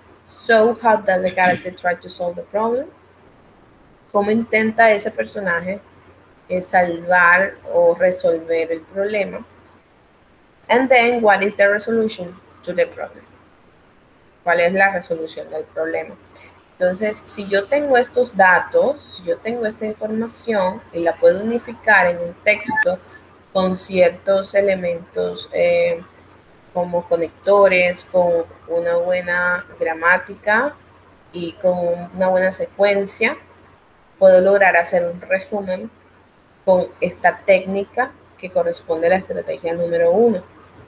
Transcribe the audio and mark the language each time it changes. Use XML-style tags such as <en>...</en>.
<en>So how does the character try to solve the problem?</en> <es>¿Cómo intenta ese personaje salvar o resolver el problema?</es> <en>And then, what is the resolution to the problem?</en> <es>¿Cuál es la resolución del problema? Entonces, si yo tengo estos datos, si yo tengo esta información y la puedo unificar en un texto con ciertos elementos como conectores, con una buena gramática y con una buena secuencia, puedo lograr hacer un resumen con esta técnica que corresponde a la estrategia número uno.</es>